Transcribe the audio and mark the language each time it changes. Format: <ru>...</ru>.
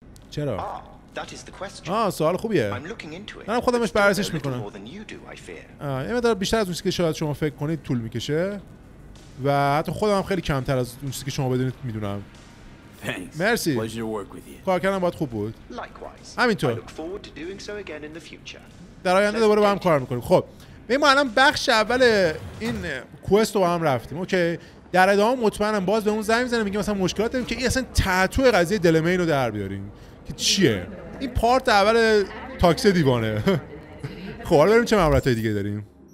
<fa>چرا؟</fa> <en>That is the question.</en> <fa>سوال خوبیه. منم خودمش بررسیش میکنم. یه مقدار بیشتر از اون چیزی که شاید شما فکر کنید طول میکشه و حتی خودم هم خیلی کمتر از اون چیزی که شما بدونید میدونم.</fa> <en>Thanks.</en> <fa>مرسی.</fa> <en>Pleasure to work with you.</en> <fa>کار کردن باهات خوب بود.</fa> <en>Likewise.</en> <fa>همینطور.</fa> <en>I look forward to doing so again in the future.</en> <fa>در آینده دوباره با هم کار میکنیم. خب ما الان بخش اول این کوست رو با هم رفتیم. اوکی، در ادامه مطمئنم باز به اون زنگ میزنم میگم مثلا مشکلات داریم که این اصلا تتو قضیه دلمین رو در بیاریم که چیه. این پارت اول تاکسی دیوانه. خب حالا بریم چه مهارت های دیگه داریم.</fa>